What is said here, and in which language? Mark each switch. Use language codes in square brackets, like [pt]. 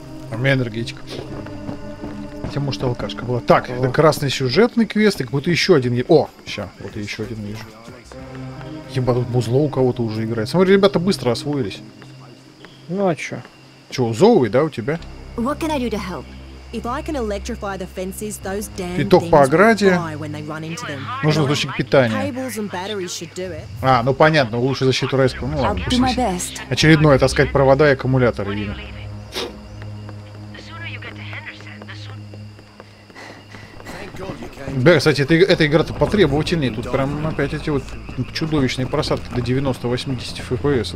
[ru] У меня энергетика. Тем, может, алкашка была. Так, о, это красный сюжетный квест, и будто еще один. О, сейчас, вот я еще один вижу. Ебать, тут музло у кого-то уже играет. Смотри, ребята быстро освоились. Ну а че? Че, Зоуи, да, у тебя? [en] What can I do to help? If I can electrify the fences, those damn things will fly when they run into them. [ru] Нужно источник питания. А, ну понятно, лучше защиту райского. Ну ладно, пусть. Очередное, таскать провода и аккумуляторы. Да, кстати, эта игра-то потребовательнее. Тут прям опять эти вот чудовищные просадки до 90-80 FPS.